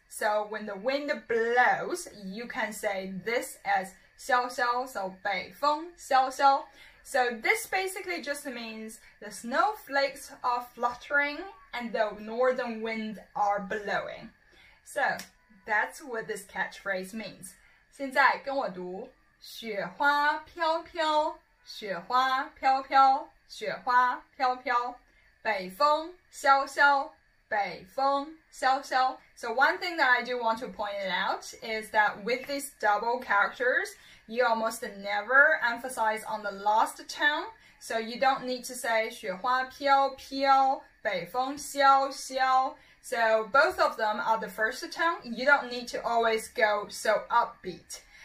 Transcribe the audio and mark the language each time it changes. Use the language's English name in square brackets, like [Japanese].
[English] So when the wind blows, you can say this as 萧萧, so 北风萧萧. So this basically just means the snowflakes are fluttering and the northern wind are blowing. So that's what this catchphrase means. [Chinese] 现在跟我读, 雪花飘飘, 雪花飘飘, 雪花飘飘, 北风萧萧, 北风萧萧. [English] So one thing that I do want to point out is that with these double characters, you almost never emphasize on the last tone. So you don't need to say 雪花飘飘, 北风萧萧. So both of them are the first tone. You don't need to always go so upbeat.